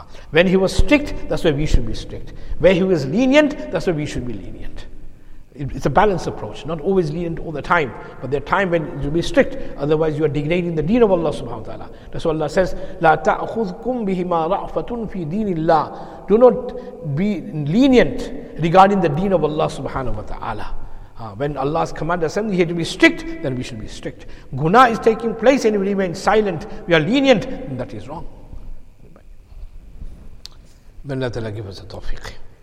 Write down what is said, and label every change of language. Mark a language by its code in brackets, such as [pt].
[en] When he was strict, that's why we should be strict. Where he was lenient, that's why we should be lenient. It's a balanced approach, not always lenient all the time, but there are times when you'll be strict, otherwise you are degrading the deen of Allah subhanahu wa ta'ala. That's why Allah says, [ar] لَا تَأْخُذْكُمْ بِهِمَا رَعْفَةٌ فِي دِينِ اللَّهِ. [en] Do not be lenient regarding the deen of Allah subhanahu wa ta'ala. When Allah's command has sent, he had to be strict, then we should be strict. Guna is taking place and we remain silent, we are lenient, then that is wrong. May Allah Ta'ala give us a tawfiq.